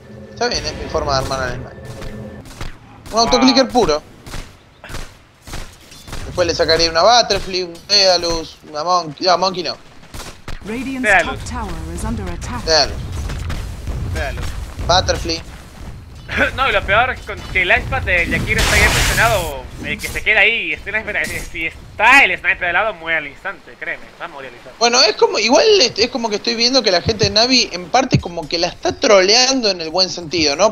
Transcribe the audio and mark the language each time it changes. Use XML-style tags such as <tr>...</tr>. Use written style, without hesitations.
<es>Está bien, es mi forma de armar al Sniper. Un autoclicker puro. Después le sacaría una Butterfly, un Daedalus, una Monkey. No, Monkey no.</es> <en>Radiant's top tower is under attack. Butterfly.</en> <es>No, y lo peor es que el Ice Path de Yakir está bien presionado. Que se queda ahí. Si está el sniper de lado, muere al instante, créeme. Va a morir al instante. Bueno, es como. Igual es como que estoy viendo que la gente de Navi, en parte, como que la está troleando en el buen sentido, ¿no?</es>